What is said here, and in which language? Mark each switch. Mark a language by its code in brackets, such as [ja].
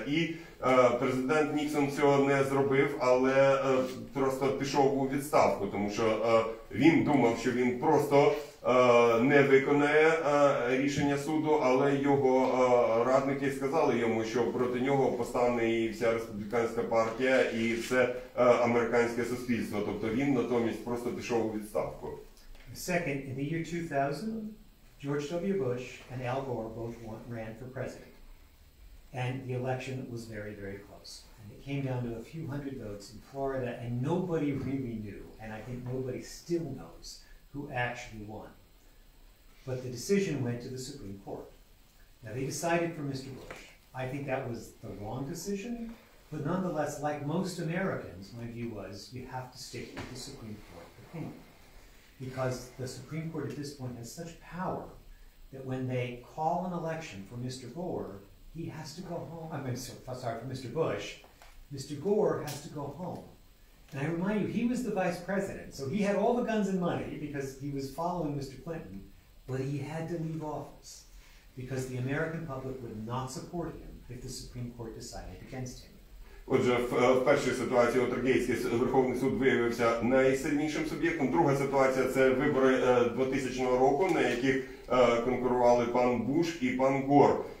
[uk] І президент Ніксон цього не зробив, але просто пішов у відставку, тому що він думав, що він просто не виконає рішення суду, але його радники сказали йому, що проти нього поставлена і вся республіканська партія, і все американське суспільство. Тобто він натомість просто пішов у відставку. [en] Second, in the year 2000, George W. Bush and Al Gore both ran for president. And the election was very, very close. And it came down to a few hundred votes in Florida, and nobody really knew, and I think nobody still knows, who actually won. But the decision went to the Supreme Court. Now they decided for Mr. Bush. I think that was the wrong decision, but nonetheless, like most Americans, my view was, you have to stick with the Supreme Court opinion. Because the Supreme Court at this point has such power that when they call an election for Mr. Gore, he has to go home, for Mr. Bush, Mr. Gore has to go home. And I remind you, he was the vice president, so he had all the guns and money because he was following Mr. Clinton, but he had to leave office because the American public would not support him if the Supreme Court decided against him. [uk] Отже, в першій ситуації Уотергейтський Верховний суд виявився найсильнішим суб'єктом. Друга ситуація – це вибори 2000 року, на яких конкурували пан Буш і пан Гор.